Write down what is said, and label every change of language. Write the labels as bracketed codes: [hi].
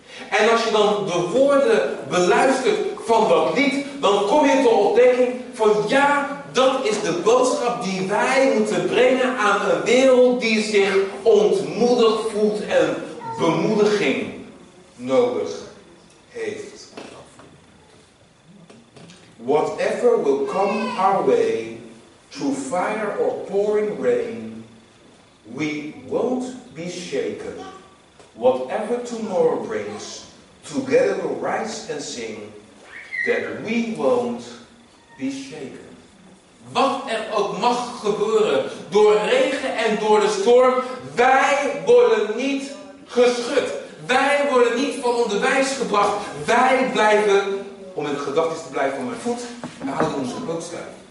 [nl] En als je dan de woorden beluistert van dat lied, dan kom je tot ontdekking van ja, dat is de boodschap die wij moeten brengen aan een wereld die zich ontmoedigd voelt en bemoediging nodig heeft. [en] Whatever will come our way, through fire or pouring rain, we won't be shaken. Whatever tomorrow brings, together we'll rise and sing, that we won't be shaken. [nl] Wat er ook mag gebeuren, door regen en door de storm, wij worden niet geschud. Wij worden niet van onderwijs gebracht. Wij blijven, om in de gedachten te blijven van mijn voet, we houden onze boodschap.